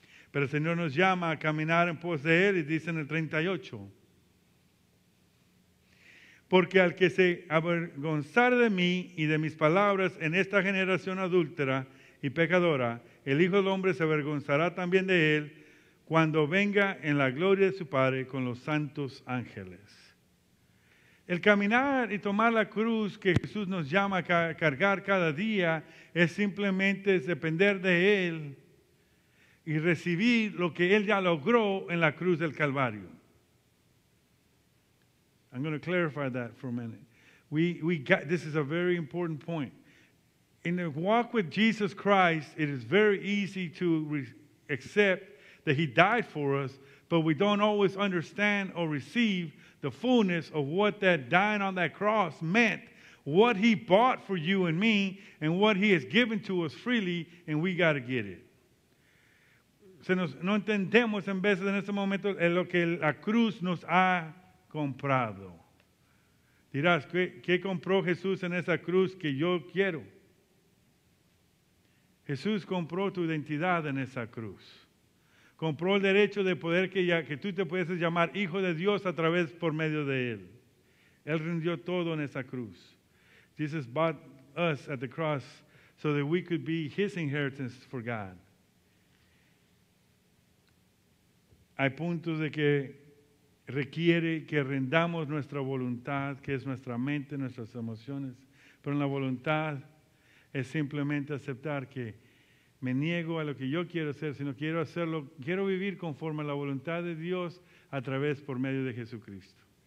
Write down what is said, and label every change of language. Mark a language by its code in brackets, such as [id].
[es] Pero el Señor nos llama a caminar en pos de Él y dice en el 38, porque al que se avergonzare de mí y de mis palabras en esta generación adúltera y pecadora, el Hijo del Hombre se avergonzará también de él cuando venga en la gloria de su Padre con los santos ángeles. El caminar y tomar la cruz que Jesús nos llama a cargar cada día es simplemente depender de Él y recibir lo que Él ya logró en la cruz del Calvario. [en] I'm going to clarify that for a minute. This is a very important point. In the walk with Jesus Christ, it is very easy to accept that He died for us, but we don't always understand or receive the fullness of what that dying on that cross meant, what He bought for you and me, and what He has given to us freely, and we got to get it. [es] No entendemos en veces en este momento lo que la cruz nos ha comprado. Dirás, ¿qué compró Jesús en esa cruz que yo quiero? Jesús compró tu identidad en esa cruz. Compró el derecho de poder que tú te puedes llamar hijo de Dios a través por medio de Él. Él rindió todo en esa cruz. [en] Jesus bought us at the cross so that we could be His inheritance for God. [es] Hay puntos de que requiere que rendamos nuestra voluntad, que es nuestra mente, nuestras emociones. Pero en la voluntad es simplemente aceptar que me niego a lo que yo quiero hacer, sino quiero hacerlo, quiero vivir conforme a la voluntad de Dios a través por medio de Jesucristo.